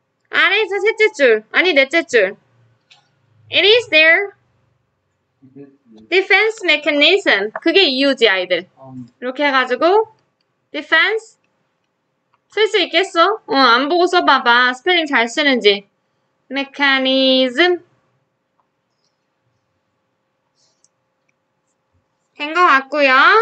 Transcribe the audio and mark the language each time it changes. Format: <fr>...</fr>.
<ko>아래에서 셋째 줄, 아니 넷째 줄.</ko> <en>It is their defense mechanism.</en> <ko>그게 이유지, 아이들. 이렇게 해가지고 defense 쓸 수 있겠어? 어, 안 보고 써봐봐. 스펠링 잘 쓰는지. mechanism 된 것 같고요.</ko>